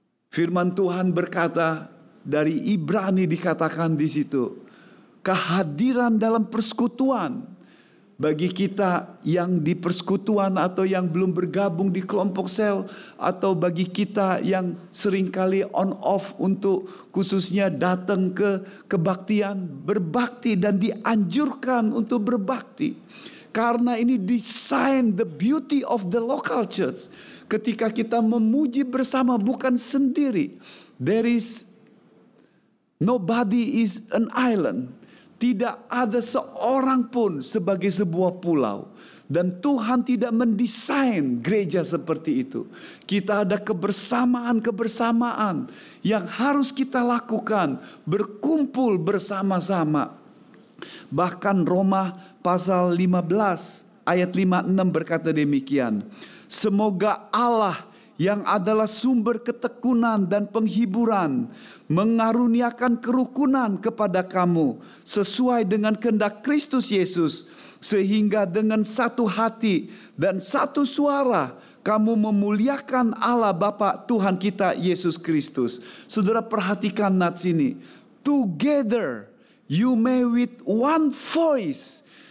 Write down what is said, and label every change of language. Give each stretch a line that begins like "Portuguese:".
Indonesian: Firman Tuhan berkata, dari Ibrani dikatakan di situ, kehadiran dalam persekutuan bagi kita yang di persekutuan atau yang belum bergabung di kelompok sel, atau bagi kita yang seringkali on off untuk khususnya datang ke kebaktian, berbakti dan dianjurkan untuk berbakti. Karena ini
English: design the beauty of the local church.
Indonesian: Ketika kita memuji bersama bukan sendiri.
English: There is nobody is an island.
Indonesian: Tidak ada seorang pun sebagai sebuah pulau. Dan Tuhan tidak mendesain gereja seperti itu. Kita ada kebersamaan-kebersamaan yang harus kita lakukan. Berkumpul bersama-sama. Bahkan Roma pasal 15 ayat 5-6 berkata demikian. Semoga Allah yang adalah sumber ketekunan dan penghiburan mengaruniakan kerukunan kepada kamu sesuai dengan kehendak Kristus Yesus, sehingga dengan satu hati dan satu suara kamu memuliakan Allah Bapa Tuhan kita Yesus Kristus. Saudara perhatikan nats ini.
English: Together you may with one voice.